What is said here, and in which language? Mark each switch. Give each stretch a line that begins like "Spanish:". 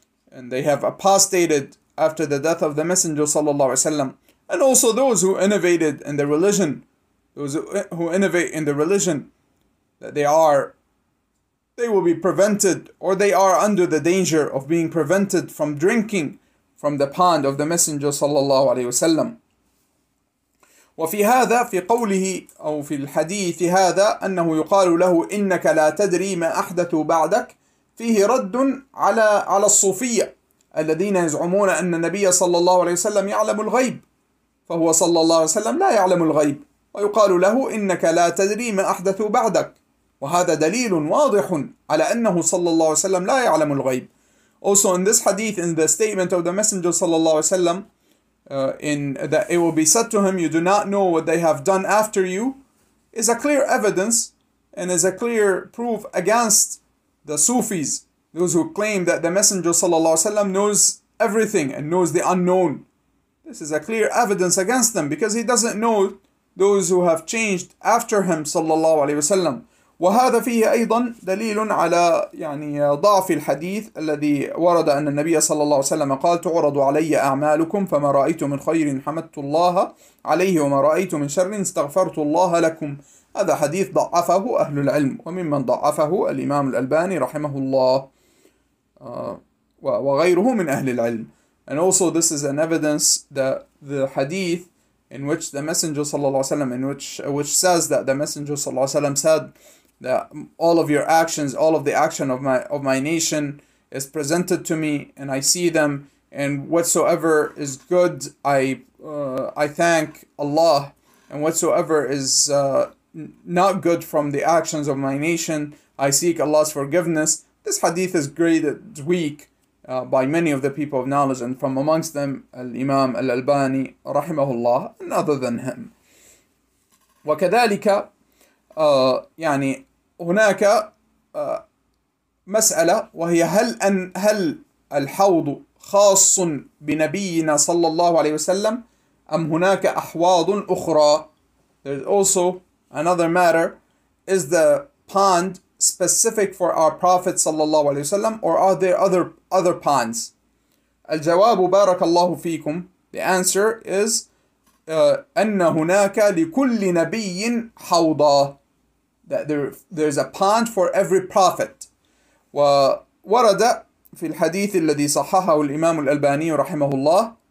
English: and they have apostated after the death of the Messenger
Arabic: وسلم,
English: and also those who innovated in the religion, that they will be prevented, or they are under the danger of being prevented from drinking from the pond of the Messenger sallallahu alaihi wasallam.
Arabic: وفي هذا في قوله أو في الحديث هذا أنه يقال له إنك لا تدري ما أحدث بعدك فيه رد على الصوفية الذين يزعمون أن النبي صلى الله عليه وسلم يعلم الغيب فهو صلى الله عليه وسلم لا يعلم الغيب ويقال له إنك لا تدري ما أحدث بعدك وهذا دليل واضح على أنه صلى الله عليه وسلم لا يعلم الغيب.
English: Also in this hadith, in the statement of the Messenger
Arabic: صلى الله عليه وسلم,
English: in that it will be said to him, you do not know what they have done after you, is a clear evidence and is a clear proof against the Sufis, those who claim that the Messenger ﷺ knows everything and knows the unknown. This is a clear evidence against them, because he doesn't know those who have changed after him ﷺ.
Arabic: وهذا فيه أيضا دليل على ضعف الحديث الذي ورد أن النبي صلى الله عليه وسلم قال تعرض علي أعمالكم فما رأيت من خير حمدت الله عليه وما رأيت من شر استغفرت الله لكم. هذا حديث ضعفه أهل العلم, وممن ضعفه الإمام الألباني رحمه الله وغيره من أهل العلم.
English: And also this is an evidence that the hadith in which the Messenger
Arabic: صلى الله عليه وسلم,
English: which says that the Messenger صلى الله عليه وسلم said that all of your actions, all of the action of my nation is presented to me and I see them, and whatsoever is good I thank Allah, and whatsoever is not good from the actions of my nation I seek Allah's forgiveness. This hadith is graded weak by many of the people of knowledge, and from amongst them al-Imam al-Albani rahimahullah, and other than him.
Arabic: وكذلك هناك مسألة وهي هل الحوض خاص بنبينا صلى الله عليه وسلم أم هناك أحواض أخرى.
English: There's also another matter: is the pond specific for our Prophet
Arabic: صلى الله عليه وسلم,
English: or are there other ponds?
Arabic: الجواب بارك الله فيكم.
English: The answer is
Arabic: أن هناك لكل نبي حوضا.
English: That there's a pond for every prophet.
Arabic: وورد في الحديث الذي صححه الإمام الألباني رحمه الله.